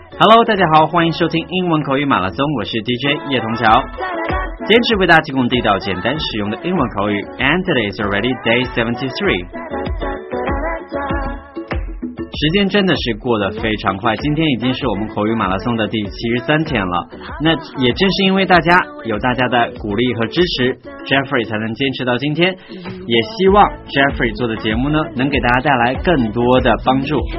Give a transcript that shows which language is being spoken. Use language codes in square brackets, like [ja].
[zh] Hello, 大家好，欢迎收听英文口语马拉松，我是 DJ 叶童桥，坚持为大家提供地道、简单、实用的英文口语。 [en] And today is already day 73. [zh] 时间真的是过得非常快，今天已经是我们口语马拉松的第73天了。那也正是因为大家有大家的鼓励和支持， Jeffrey 才能坚持到今天。也希望 Jeffrey 做的节目呢，能给大家带来更多的帮助。